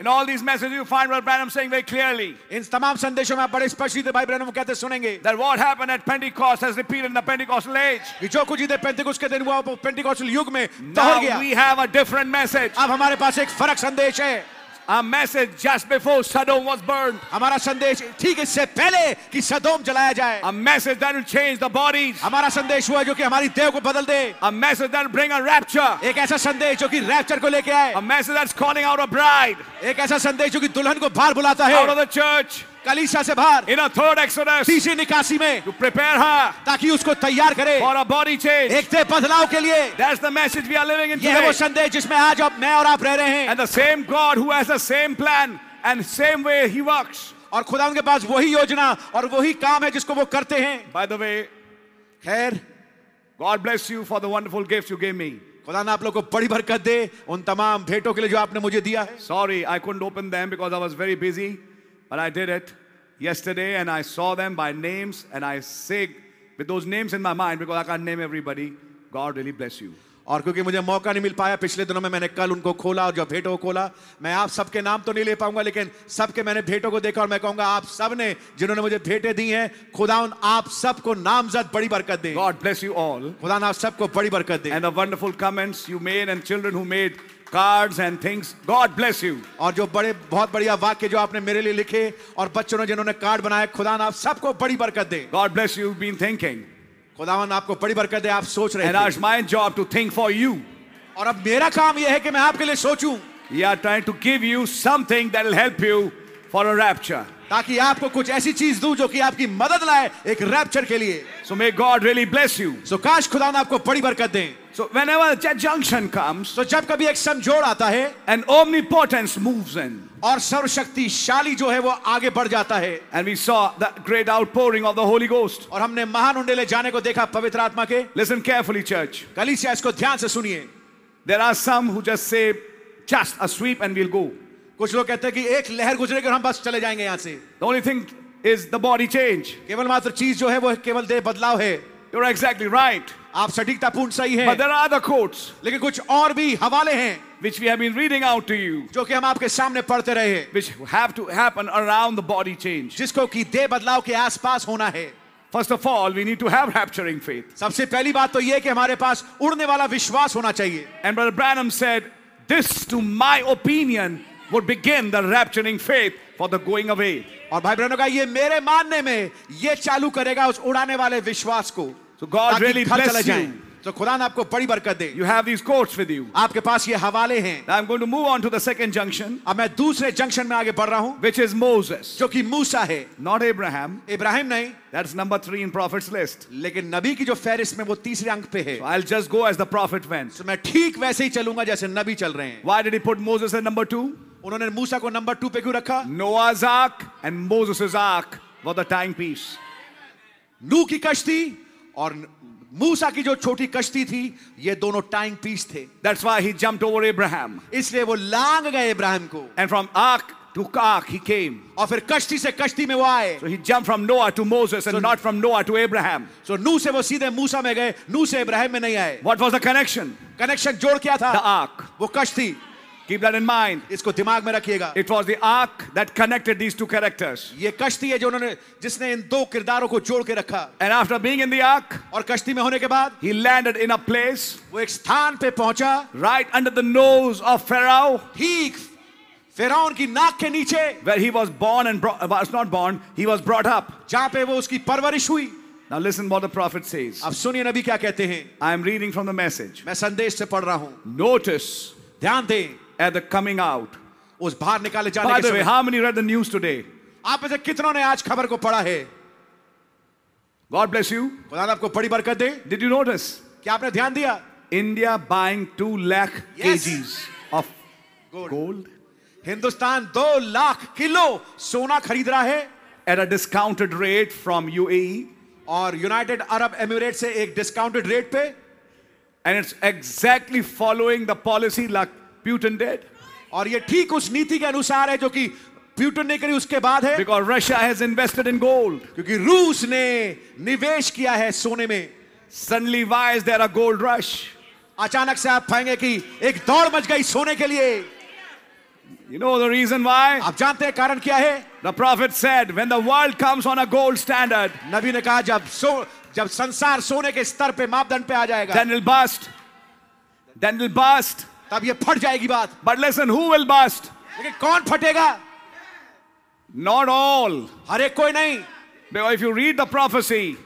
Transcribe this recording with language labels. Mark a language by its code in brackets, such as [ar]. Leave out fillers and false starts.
[en] In all these messages you find what Branham saying very clearly. [hi] इन तमाम संदेशों में आप बड़े स्पष्ट रूप से भाई ब्रैनम कहते सुनेंगे. [en] That what happened at Pentecost has repeated in the Pentecostal age. [hi] कि जो कुछ इधर पेंटिकोस्ट के दिन हुआ वो पेंटिकोस्टल युग में दोहर गया. [en] Now we have a different message. [hi] अब हमारे पास एक फर्क संदेश है. [en] A message just before Sodom was burned. [hi] हमारा संदेश ठीक इससे पहले कि सदोम जलाया जाए. [en] A message that will change the bodies. [hi] हमारा संदेश हुआ जो कि हमारी देह को बदल दे. [en] A message that will bring a rapture. [hi] एक ऐसा संदेश जो कि रैप्चर को लेके आए. [en] A message that's calling out a bride. [hi] एक ऐसा संदेश जो कि दुल्हन को बाहर बुलाता है. [en] Out of the church. [hi] कलीसिया से बाहर. [en] In a third exodus. [hi] तीसरी निकासी में. [en] To prepare her. [hi] ताकि उसको तैयार करे. [en] For a body change. [hi] एक देह बदलाव के लिए. [en] That's the message we are living in today. [hi] यह है वो संदेश जिसमें आज अब मैं और आप रह रहे हैं. [en] And the same God who has the same plan and same way he works. [hi] और खुदा उनके पास वही योजना और वही काम है जिसको वो करते हैं. [en] By the way. [hi] खैर. [en] God bless you for the wonderful gifts you gave me. [hi] खुदा ने आप लोगों को बड़ी बरकत दे उन तमाम भेंटों के लिए जो आपने मुझे दिया है. [en] Sorry, I couldn't open them because I was very busy. But I did it yesterday and I saw them by names and I say with those names in my mind because I can't name everybody, God really bless you. [hi] और क्योंकि मुझे मौका नहीं मिल पाया पिछले दिनों में मैंने कल उनको खोला और जो भेंटों को खोला मैं आप सबके नाम तो नहीं ले पाऊंगा लेकिन सबके मैंने भेंटों को देखा और मैं कहूंगा आप सब ने जिन्होंने मुझे भेंटें दी हैं खुदा उन आप सबको नामजद बड़ी बरकत दे. [en] God bless you all. [hi] खुदा ने आप सबको बड़ी बरकत दे. [en] And the wonderful comments you made and children who made cards and things. God bless you. [hi] और जो बड़े बहुत बढ़िया वाक्य जो आपने मेरे लिए लिखे और बच्चों ने जिन्होंने कार्ड बनाए खुदा ने आप सबको बड़ी बरकत दे. [en] God bless you. You've been thinking. [hi] खुदावन आपको बड़ी बरकत दे आप सोच रहे हैं. [en] And it's my job to think for you. [hi] और अब मेरा काम यह है कि मैं आपके लिए सोचूं. [en] We are trying to give you something that will help you for a rapture. [hi] ताकि आपको कुछ ऐसी चीज दूं जो कि आपकी मदद लाए एक रैप्चर के लिए. [en] So may God really bless you. So [hi] काश खुदा ने आपको बड़ी बरकत दे. [en] So whenever a junction comes, [hi] तो जब कभी एक समझौड़ आता है, [en] an omnipotence moves in. [hi] और सर्वशक्तिशाली जो है वो आगे बढ़ जाता है. [en] And we saw the great outpouring of the Holy Ghost. [hi] और हमने महान उंडेले जाने को देखा पवित्र आत्मा के. [en] Listen carefully, church. [hi] कलीसिया इसको ध्यान से सुनिए. [en] There are some who just say, just a sweep and we'll go. [hi] कुछ लोग कहते हैं कि एक लहर गुजरेगी और हम बस चले जाएंगे यहाँ से. [en] The only thing is the body change. [hi] केवल मात्र चीज जो है वो केवल देह बदलाव है. [en] You're exactly right. [hi] आप सटीकता पूर्ण सही हैं. [en] But there are other quotes. [hi] लेकिन कुछ और भी हवाले हैं. [en] Which we have been reading out to you. [hi] जो कि हम आपके सामने पढ़ते रहे हैं. [en] Which have to happen around the body change. [hi] जिसको कि देह बदलाव के आसपास होना है. [en] First of all, we need to have rapturing faith. [hi] सबसे पहली बात तो ये कि हमारे पास उड़ने वाला विश्वास होना चाहिए. [en] And Brother Branham said, this to my opinion would begin the rapturing faith for the going away. [hi] और भाई ब्रैनम का ये मेरे मानने में ये चालू करेगा उस उड़ाने वाले विश्वास को. [en] So God really bless you. [hi] तो खुदा ने आपको बड़ी बरकत दे. [en] You have these quotes with you. [hi] आपके पास ये हवाले हैं. [en] Now I'm going to move on to the second junction. [hi] अब मैं दूसरे जंक्शन में आगे बढ़ रहा हूँ. [en] Which is Moses. [hi] जो कि मूसा है. [en] Not Abraham. [hi] इब्राहिम नहीं. [en] That's number three in prophet's list. [hi] लेकिन नबी की जो फेरिस में वो तीसरे अंक पे है. [en] So I'll just go as the prophet went. [hi] तो मैं ठीक वैसे ही चलूंगा जैसे नबी चल रहे हैं. [en] Why did he put Moses at number two? [hi] उन्होंने मूसा को नंबर टू पे क्यों रखा? [en] Noah's ark and Moses' ark were the timepiece. [hi] नूह की कश्ती और मूसा की जो छोटी कश्ती थी ये दोनों टाइम पीस थे. [en] That's why he jumped over Abraham. [hi] इसलिए वो लांग गए इब्राहिम को. [en] And from ark to ark he came. [hi] और फिर कश्ती से कश्ती में वो आए. [en] So he jumped from Noah to Moses and not from Noah to Abraham. So [hi] नूह से वो सीधे मूसा में गए, नूह से इब्राहिम में नहीं आए. [en] What was the connection? [hi] Connection जोड़ क्या था? [en] The ark. [hi] वो कश्ती. [en] Keep that in mind. [hi] इसको दिमाग में रखिएगा. [en] It was the ark that connected these two characters. [hi] ये कश्ती है जो उन्होंने जिसने इन दो किरदारों को जोड़ के रखा. [en] And after being in the ark, [hi] और कश्ती में होने के बाद, [en] he landed in a place. [hi] वो एक स्थान पे पहुंचा. [en] Right under the nose of Pharaoh. [hi] ठीक, फिराउन की नाक के नीचे. [en] Where he was born and was not born, he was brought up. [hi] जहाँ पे वो उसकी परवरिश हुई. [en] Now listen what the prophet says. [hi] अब सुनिए नबी क्या कहते हैं. [en] I am reading from the message. [hi] मैं संदेश से पढ़ रहा हूँ. [en] Notice. [hi] ध्यान दें. [en] At the coming out. [hi] उस बाहर निकाले जाने के समय. [en] By the way, how many read the news today? [hi] आप इसे कितनों ने आज खबर को पढ़ा है? [en] God bless you. [hi] खुदा ने आपको बड़ी बरकत दे. [en] Did you notice? [hi] क्या आपने ध्यान दिया? [en] India buying 2 lakh kgs of gold. [hi] Hindustan 2 lakh kilo सोना खरीद रहा है. [en] At a discounted rate from UAE. [hi] और United Arab Emirates से एक [en] discounted rate [hi] पे. [en] And it's exactly following the policy like Putin did. [hi] और ये ठीक उस नीति के अनुसार है जो कि प्यूटन ने करी उसके बाद है. [en] Because Russia has invested in gold. [hi] क्योंकि रूस ने निवेश किया है सोने में. [en] Suddenly, why is there a gold rush? [hi] अचानक से आप पाएंगे कि एक दौड़ मच गई सोने के लिए. [en] You know the reason why? [hi] आप जानते हैं कारण क्या है? [en] The prophet said, when the world comes on a gold standard, [hi] नबी ने कहा जब संसार सोने के स्तर पे मापदंड पे आ जाएगा, [en] then it'll bust. [hi] तब ये फट जाएगी बात. [en] But listen, who will bust? [hi] लेकिन कौन फटेगा? [en] Not all. [hi] हर एक कोई नहीं. [en] If you read the prophecy,